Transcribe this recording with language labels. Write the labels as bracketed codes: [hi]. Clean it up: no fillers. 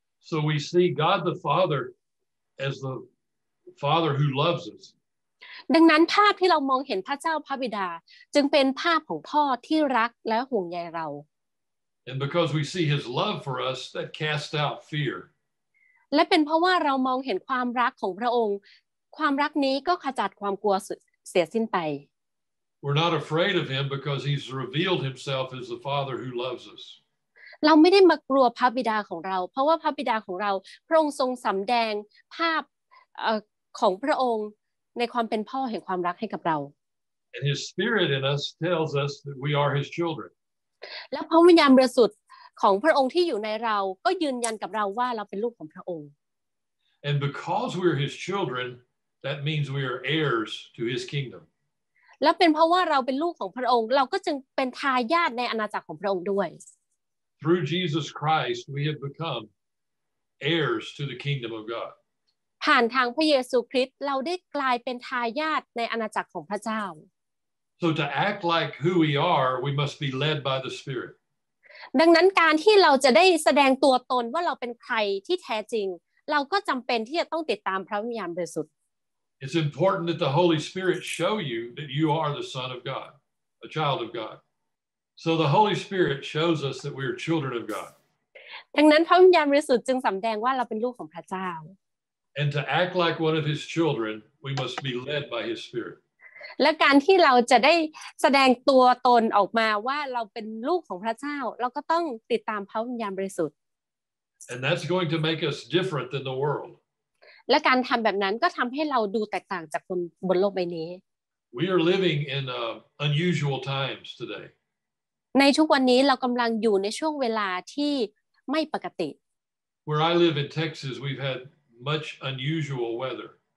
[en] So we see God the Father as the Father who loves us [th] ดังนั้นภาพที่เรามองเห็นพระเจ้าพระบิดาจึงเป็นภาพของพ่อที่รักและห่วงใยเรา [en] And because we see his love for us that casts out fear [th] และเป็นเพราะว่าเรามองเห็นความรักของพระองค์ความรักนี้ก็ขจัดความกลัวเสียสิ้นไป [en] We're not afraid of him because he's revealed himself as the father who loves us [th] เราไม่ได้มากลัวพระบิดาของเราเพราะว่าพระบิดาของเราพระองค์ทรงสำแดงภาพของพระองค์ในความเป็นพ่อแห่งความรักให้กับเรา [en] And his spirit in us tells us that we are his children. [th] และพระวิญญาณบริสุทธิ์ของพระองค์ที่อยู่ในเราก็ยืนยันกับเราว่าเราเป็นลูกของพระองค์ [en] And because we're his children, that means we are heirs to his kingdom. [th] และเป็นเพราะว่าเราเป็นลูกของพระองค์เราก็จึงเป็นทายาทในอาณาจักรของพระองค์ด้วย [en] Through Jesus Christ, we have become heirs to the kingdom of God. [th] ผ่านทางพระเยซูคริสต์เราได้กลายเป็นทายาทในอาณาจักรของพระเจ้า [en] So to act like who we are we must be led by the spirit [th] ดังนั้นการที่เราจะได้แสดงตัวตนว่าเราเป็นใครที่แท้จริงเราก็จําเป็นที่จะต้องติดตามพระวิญญาณบริสุทธิ์ [en] It's important that the Holy Spirit show you that you are the son of God a child of God So the Holy Spirit shows us that we are children of God [th] ดังนั้นพระวิญญาณบริสุทธิ์จึงสําแดงว่าเราเป็นลูกของพระเจ้า [en] And to act like one of his children, we must be led by his spirit. [th] และการที่เราจะได้แสดงตัวตนออกมาว่าเราเป็นลูกของพระเจ้าเราก็ต้องติดตามพระวิญญาณบริสุทธิ์ [en] And that's going to make us different than the world. [th] และการทำแบบนั้นก็ทำให้เราดูแตกต่างจากคนบนโลกใบนี้ [en] We are living in unusual times today. [th] ในช่วงวันนี้เรากำลังอยู่ในช่วงเวลาที่ไม่ปกติ [en] Where I live in Texas, we've had much unusual weather